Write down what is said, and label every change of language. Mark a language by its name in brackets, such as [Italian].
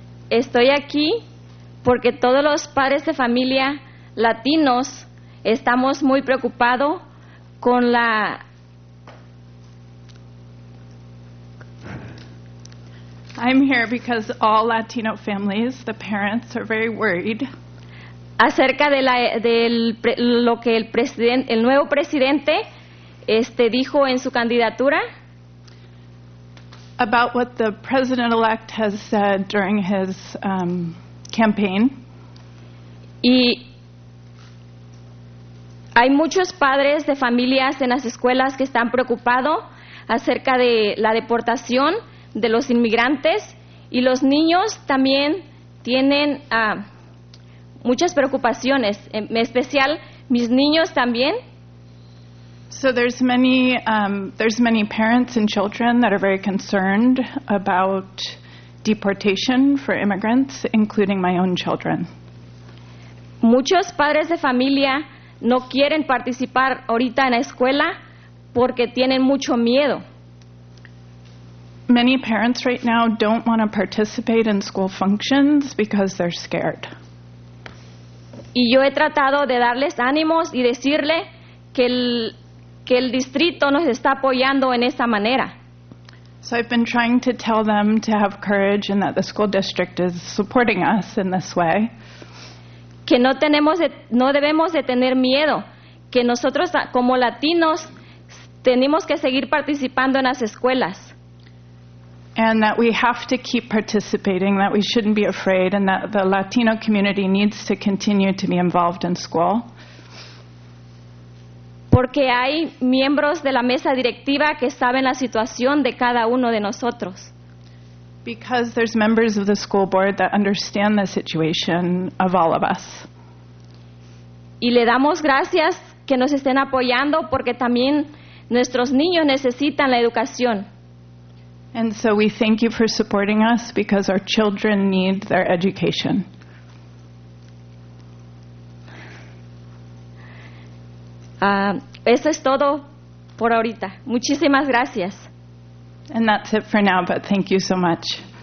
[Spanish] Estoy aquí porque todos los padres de familia latinos estamos muy preocupados con la... [English] I'm here because all Latino families, the parents, are very worried [Spanish] acerca de la lo que el nuevo presidente dijo en su candidatura. [English] About what the president-elect has said during his campaign. [Spanish] Y hay muchos padres de familias en las escuelas que están preocupados acerca de la deportación de los inmigrantes, y los niños también tienen muchas preocupaciones, en especial mis niños también. [English] So there's many parents and children that are very concerned about deportation for immigrants, including my own children. [Spanish] Muchos padres de familia no quieren participar ahorita en la escuela porque tienen mucho miedo. [English] Many parents right now don't want to participate in school functions because they're scared. [Spanish] Y yo he tratado de darles ánimos y decirle que el distrito nos está apoyando en esta manera. [English] So I've been trying to tell them to have courage and that the school district is supporting us in this way. [Spanish] Que no debemos de tener miedo, que nosotros como latinos tenemos que seguir participando en las escuelas. [English] And that we have to keep participating, that we shouldn't be afraid, and that the Latino community needs to continue to be involved in school. [Spanish] Porque hay miembros de la mesa directiva que saben la situación de cada uno de nosotros. [English] Because there's members of the school board that understand the situation of all of us. [Spanish] Y le damos gracias que nos estén apoyando porque también nuestros niños necesitan la educación. [English] And so we thank you for supporting us because our children need their education. [Spanish] Eso es todo por ahorita. Muchísimas gracias. [English] And that's it for now, but thank you so much.